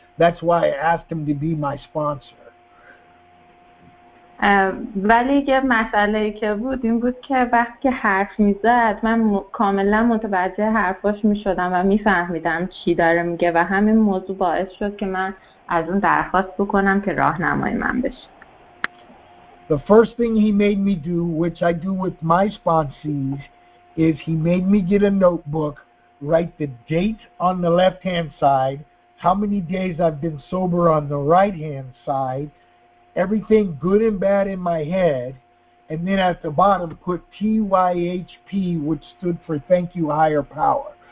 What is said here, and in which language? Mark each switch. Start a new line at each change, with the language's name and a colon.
English: That's why I asked him to be my sponsor.
Persian: ولی یه مسئله که بود این بود که وقتی که حرف میزد من کاملا متوجه حرفاش میشدم و میفهمیدم چی داره میگه و همین موضوع باعث شد که من از اون درخواست بکنم که راهنمای من بشه.
English: The first thing he made me do, which I do with my sponsees, is he made me get a notebook, write the date on the left hand side, how many days I've been sober on the right hand side, everything good and bad in my head, and then at the bottom put TYHP, which stood for Thank You Higher Power.